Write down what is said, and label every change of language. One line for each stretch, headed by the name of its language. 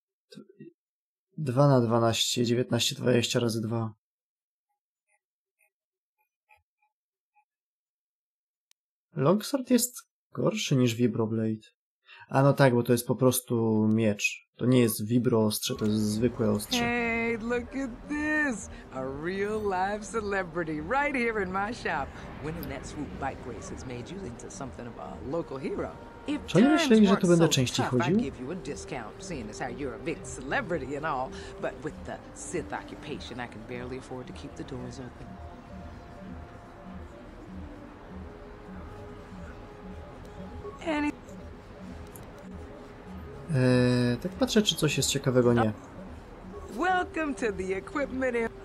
Polish: T 2 na 12, 19, 20 razy 2. Longsword jest gorszy niż Vibroblade. A no tak, bo to jest po prostu miecz. To nie jest Vibroostrze, to jest zwykłe ostrze.
English: Look at this! A real live celebrity right here in my shop. Winning that swoop bike race has made you into something of a local hero. If times weren't so tough, I'd give you a discount, seeing as how you're a big celebrity and all. But with the Sith occupation, I can barely afford to keep the doors open. Any
Polish: Tak patrzę, czy coś jest ciekawego, nie.
English: Welcome to the equipment.